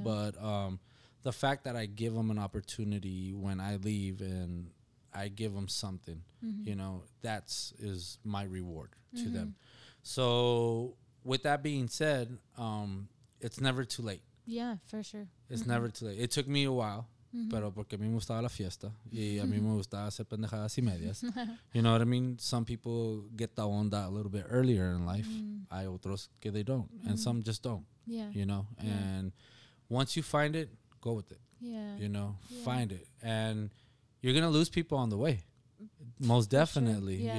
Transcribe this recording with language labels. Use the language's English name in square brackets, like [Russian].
[English] But the fact that I give them an opportunity when I leave and I give them something, you know, that's is my reward to them. So with that being said, it's never too late. Yeah, for sure. It's never too late. It took me a while. [Spanish] Pero porque a mí me gustaba la fiesta y a mí me gustaba hacer pendejadas y medias. [English] You know what I mean? Some people get the onda a little bit earlier in life. [Spanish] Hay otros que [English] they don't. And some just don't. Yeah. You know? And once you find it, go with it. Yeah. You know, yeah. Find it. And you're going to lose people on the way. Most definitely. Sure. Yeah.